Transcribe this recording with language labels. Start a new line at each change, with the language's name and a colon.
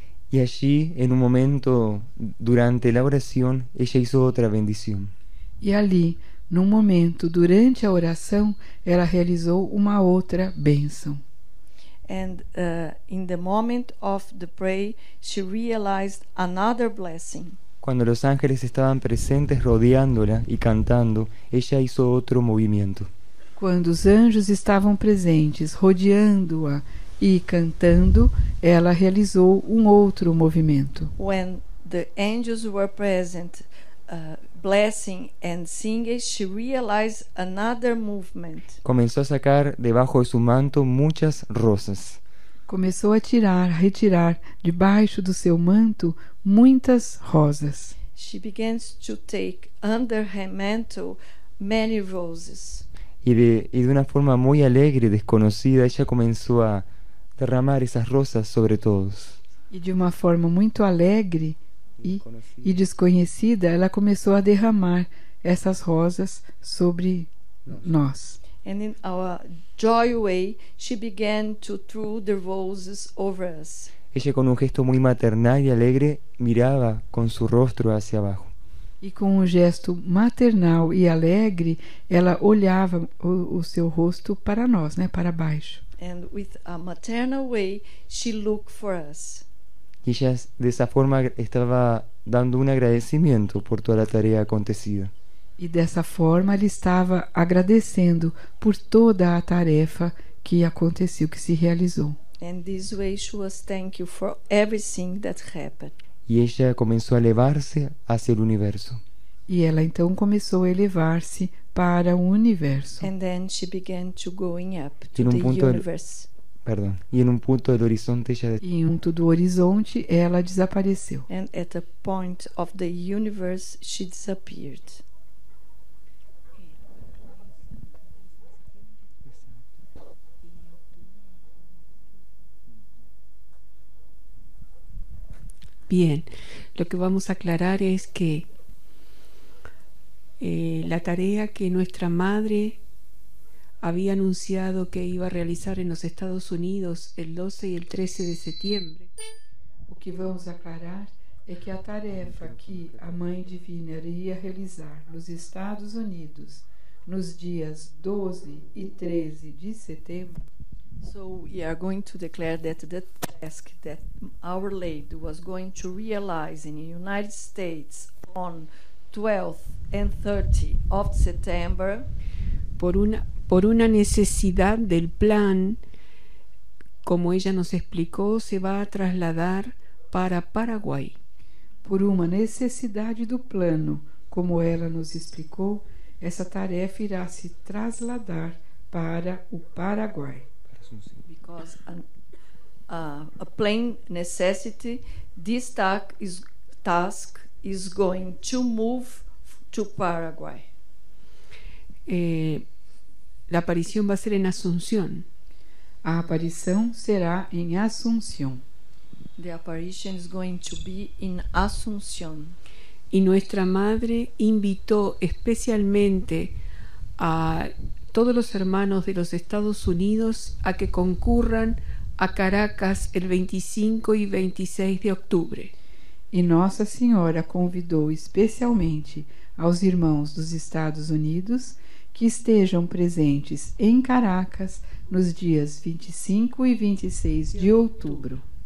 Portuguese: E allí, em um momento durante a oração, ela fez outra bendição. E ali, num momento durante a oração, ela realizou uma outra bênção.
English: And in the moment of the prayer, she realized another blessing.
Spanish: Cuando los ángeles estaban presentes rodeándola y cantando, ella hizo otro movimiento. Cuando los ángeles estaban presentes rodeándola
Portuguese: E cantando, ela realizou outro movimento.
English: When the angels were present, blessing and singing, she realized another movement.
Portuguese: Começou a sacar debaixo de seu manto muitas rosas. Começou a tirar, a retirar debaixo do seu manto muitas rosas.
English: She began to take under her mantle many roses.
Portuguese: E de uma forma muito alegre, desconhecida, ela começou a derramar essas rosas sobre todos. E de uma forma muito alegre e desconhecida, ela começou a derramar essas rosas sobre nós.
English: And in our joy way, she began to throw the roses over us.
Spanish: Ella con un gesto muy maternal y alegre miraba con su rostro hacia abajo. Y con un gesto maternal y alegre, ella
Portuguese: olhava o seu rosto para nós, né, para baixo.
English: And with a maternal way, she looked for us.
Spanish: Y ella de esa forma estaba dando un agradecimiento por toda la tarea acontecida.
Portuguese: E dessa forma ele estava agradecendo por toda a tarefa que aconteceu, que se realizou.
English: And this way she was thank you for everything that happened.
Portuguese: E ela começou a elevar-se hacia o universo. E ela então começou a elevar-se para o universo.
English: And then she began to going up to the universe.
Portuguese: E em ponto do horizonte ela desapareceu.
English: And at a point of the universe she disappeared.
Spanish: Bien, lo que vamos a aclarar es que la tarea que nuestra madre había anunciado que iba a realizar en los Estados Unidos el 12 y el 13 de septiembre. Lo que vamos a aclarar es que la tarea que la Mãe Divina iría a realizar en los Estados Unidos en los días 12 y 13 de septiembre.
English: So we are going to declare that the task that Our Lady was going to realize in the United States on 12th and 13th of September
Spanish: por una necesidad del plan, como ella nos explicó, se va a trasladar para Paraguay. Por una necesidad del plano, como ella nos explicó, esa tarea irá se trasladar para el Paraguay.
English: Because a plain necessity, this task is going to move to Paraguay.
Spanish: La aparición va a ser en Asunción.
Portuguese: A aparição será em Assunção.
English: The apparition is going to be in Asunción.
Spanish: Y nuestra madre invitó especialmente a todos los hermanos de los Estados Unidos a que concurran a Caracas el 25 y 26 de octubre.
Portuguese: Y Nossa Senhora convidou especialmente aos irmãos dos Estados Unidos que estejam presentes em Caracas nos dias 25 y 26 de outubro.